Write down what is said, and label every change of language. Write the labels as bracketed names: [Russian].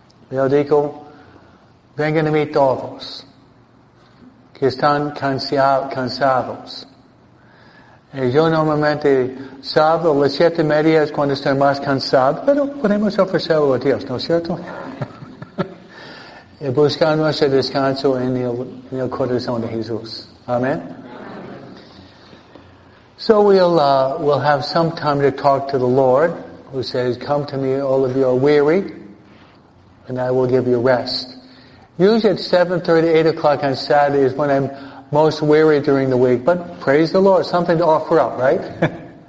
[Portuguese] Eu digo, [Spanish] vengan [Portuguese] a mim todos, que estão cansados. [Spanish] Y yo normalmente sábado a las 7:30 es cuando estoy más cansado, pero podemos ofrecerlo a Dios, ¿no es cierto? Y buscar nuestro descanso en el corazón de Jesús. Amén. [English] So we'll have some time to talk to the Lord, who says, come to me, all of you are weary, and I will give you rest. Usually at 7:30, 8 o'clock on Saturday is when I'm most weary during the week, but praise the Lord, something to offer up, right?